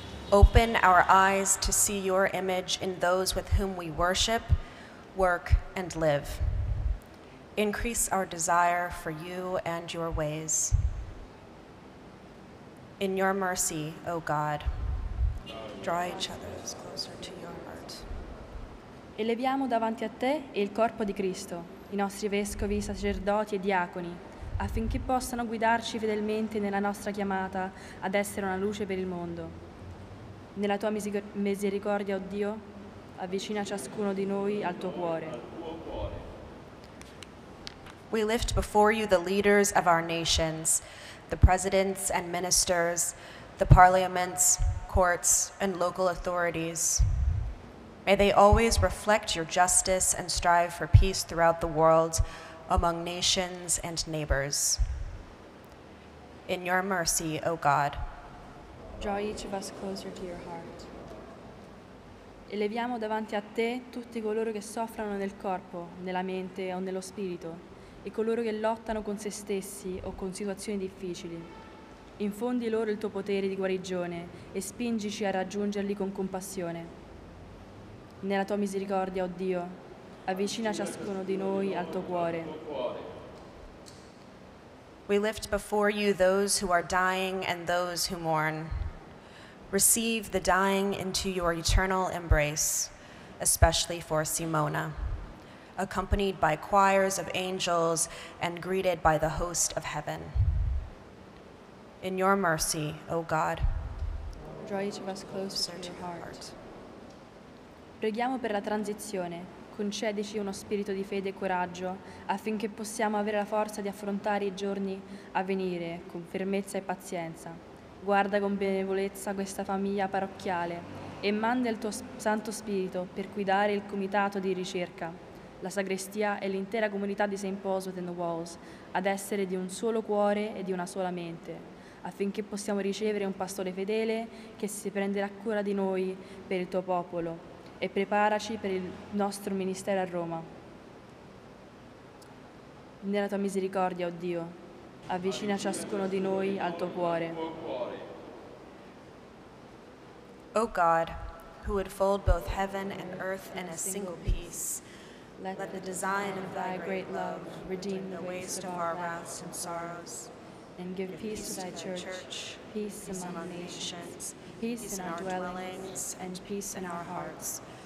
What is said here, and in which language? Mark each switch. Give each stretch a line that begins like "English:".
English: Open our eyes to see your image in those with whom we worship, work, and live. Increase our desire for you and your ways. In your mercy, O God, draw each other closer to your heart.
Italian: Eleviamo davanti a te il corpo di Cristo, i nostri vescovi, sacerdoti e diaconi, affinché possano guidarci fedelmente nella nostra chiamata ad essere una luce per il mondo. Nella tua misericordia, oh Dio, avvicina ciascuno di noi al tuo cuore.
English: We lift before you the leaders of our nations, the presidents and ministers, the parliaments, courts, and local authorities. May they always reflect your justice and strive for peace throughout the world, among nations and neighbors. In your mercy, O God. Draw each of us closer to your heart.
Italian: Eleviamo davanti a te tutti coloro che soffrono nel corpo, nella mente o nello spirito, e coloro che lottano con se stessi o con situazioni difficili. Infondi loro il tuo potere di guarigione e spingici a raggiungerli con compassione. Nella tua misericordia, oh Dio, avvicina ciascuno di noi al tuo cuore.
English: We lift before you those who are dying and those who mourn. Receive the dying into your eternal embrace, especially for Simona. Accompanied by choirs of angels and greeted by the host of heaven. In your mercy, O God, draw each of us closer to your heart.
Italian: Preghiamo per la transizione. Concedici uno spirito di fede e coraggio affinché possiamo avere la forza di affrontare i giorni a venire con fermezza e pazienza. Guarda con benevolezza questa famiglia parrocchiale e manda il tuo Santo Spirito per guidare il comitato di ricerca, la sagrestia e l'intera comunità di St. Paul's Within the Walls ad essere di un solo cuore e di una sola mente, affinché possiamo ricevere un pastore fedele che si prenderà cura di noi per il tuo popolo. E preparaci per il nostro ministero a Roma. Nella tua misericordia, oh Dio, avvicina ciascuno di noi al tuo cuore.
English: O God, who would fold both heaven and earth in a single piece, let the design of thy great love redeem the waste of our wrath and sorrows, and give peace to thy church, peace among the nations, peace in our dwellings, and peace in our hearts.